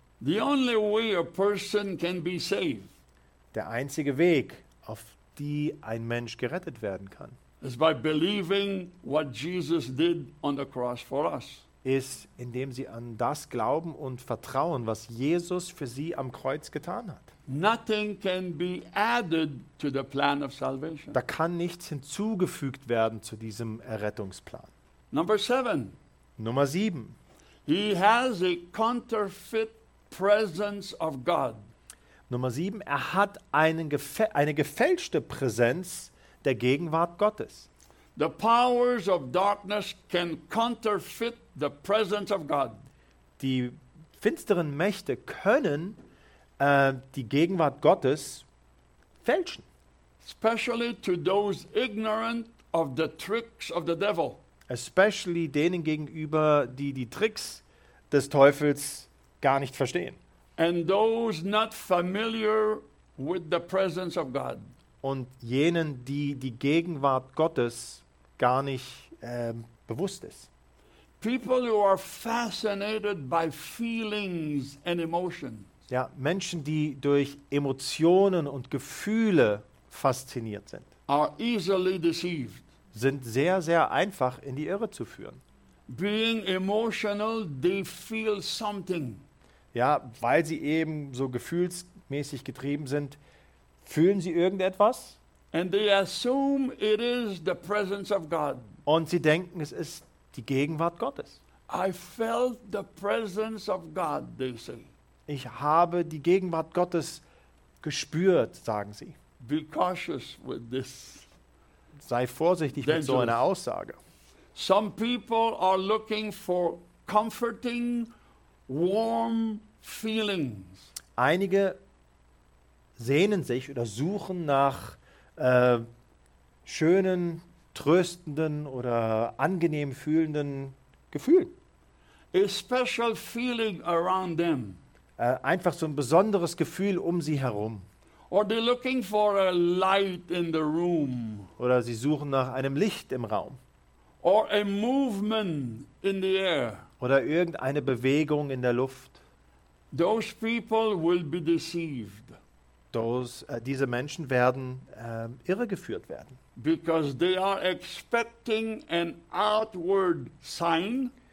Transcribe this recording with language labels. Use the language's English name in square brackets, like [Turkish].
[English] The only way a person can be saved. [German] Der einzige Weg, auf die ein Mensch gerettet werden kann. [English] Is by believing what Jesus did on the cross for us. [German] Ist, indem sie an das glauben und vertrauen, was Jesus für sie am Kreuz getan hat. [English] Nothing can be added to the plan of salvation. [German] Da kann nichts hinzugefügt werden zu diesem Errettungsplan. [English] Number seven. [German] Nummer 7. [English] He has a counterfeit presence of God. [German] Nummer 7. Er hat eine gefälschte Präsenz der Gegenwart Gottes. [English] The powers of darkness can counterfeit the presence of God. [German] Die finsteren Mächte können die Gegenwart Gottes fälschen. [English] Especially to those ignorant of the tricks of the devil. [German] Especially denen gegenüber, die die Tricks des Teufels gar nicht verstehen. [English] And those not familiar with the presence of God. [German] Und jenen, die die Gegenwart Gottes gar nicht bewusst ist. [English] People who are fascinated by feelings and emotions. [German] Ja, Menschen, die durch Emotionen und Gefühle fasziniert sind, [English] are easily deceived. [German] Sind sehr, sehr einfach in die Irre zu führen. [English] Being emotional, they feel something. [German] Ja, weil sie eben so gefühlsmäßig getrieben sind, fühlen sie irgendetwas? [English] And they assume it is the presence of God. [German] Und sie denken, es ist die Gegenwart Gottes. [English] I felt the presence of God, they say. [German] Ich habe die Gegenwart Gottes gespürt, sagen sie. [English] Be cautious with this. [German] Sei vorsichtig mit so einer Aussage. [English] Some people are looking for comforting, warm feelings. [German] Einige sehnen sich oder suchen nach schönen, tröstenden oder angenehm fühlenden Gefühlen. [English] A special feeling around them. [German] Einfach so ein besonderes Gefühl um sie herum. [English] Or they're looking for a light in the room. [German] Oder sie suchen nach einem Licht im Raum. [English] Or a movement in the air. [German] Oder irgendeine Bewegung in der Luft. [English] Those people will be deceived. [German] Diese Menschen werden irregeführt werden. [English] Because they are expecting an outward sign.